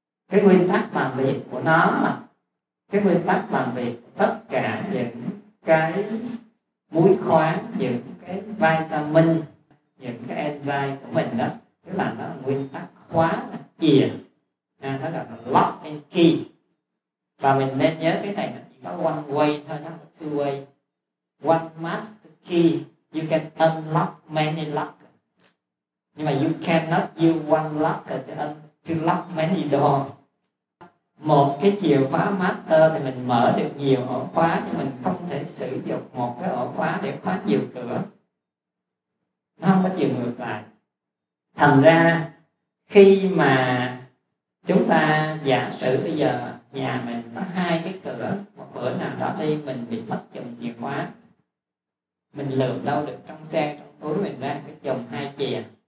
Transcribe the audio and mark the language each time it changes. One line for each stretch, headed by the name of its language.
Vietnamese: Cái nguyên tắc làm việc của nó, cái nguyên tắc làm việc tất cả những cái muối khoáng, những cái vitamin, những cái enzyme của mình đó, cái là nó là nguyên tắc khóa chìa, nó là lock and key. Và mình nên nhớ cái này, nó chỉ có one way thôi, nó là two way.
English: One master key, you can unlock many lock.
Vietnamese: Nhưng mà
English: you cannot use one lock to lock many door.
Vietnamese: Một cái chìa khóa master thì mình mở được nhiều ổ khóa, nhưng mình không thể sử dụng một cái ổ khóa để khóa nhiều cửa. Nó không có chiều ngược lại. Thành ra khi mà chúng ta giả sử bây giờ nhà mình có hai cái cửa, một bữa nào đó đi mình bị mất chùm chìa khóa, mình lượm đâu được trong xe, trong túi mình ra cái chùm hai chìa.